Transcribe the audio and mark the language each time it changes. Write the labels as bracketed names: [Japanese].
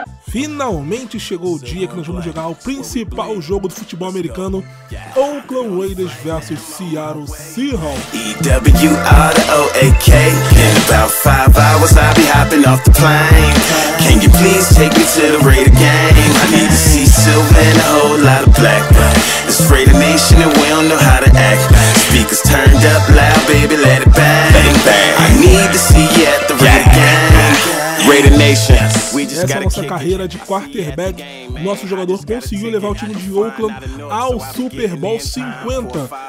[Portuguese] Finalmente chegou o dia que nós vamos jogar o principal jogo do futebol americano, Oakland Raiders vs Seattle Seahawks. [English] EWROAK, in about 5 hours I'll be hopping off the plane. Can you please take me to the Raider game? I need to see silver and a whole lot of black. It's Raider Nation and we don't know how to act. Speakers turned up loud, baby, let it bang. I need to see you at the Raider game. Raider Nation. [Portuguese] Essa é a nossa carreira de quarterback. Nosso jogador conseguiu levar o time de Oakland ao Super Bowl 50.